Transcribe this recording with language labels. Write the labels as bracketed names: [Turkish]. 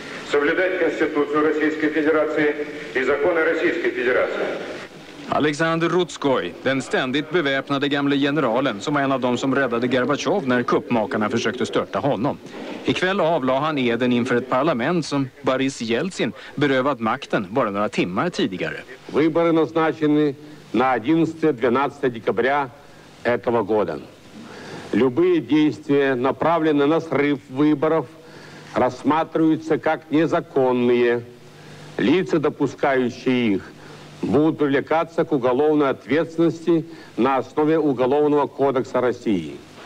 [Russian] Соблюдать Конституцию Российской Федерации и законы Российской Федерации. [Swedish] Alexander Rutskoj, den ständigt beväpnade gamle generalen som var en av dem som räddade Gorbatjov när kuppmakarna försökte störta honom. Ikväll avlade han eden inför ett parlament som Boris Jeltsin berövat makten bara några timmar tidigare. [Russian] Выборы назначены на 11-12 декабря этого года. Любые действия, направленные на срыв выборов, рассматриваются как незаконные. Лица, допускающие их, будут привлекаться к уголовной ответственности на основе Уголовного кодекса России.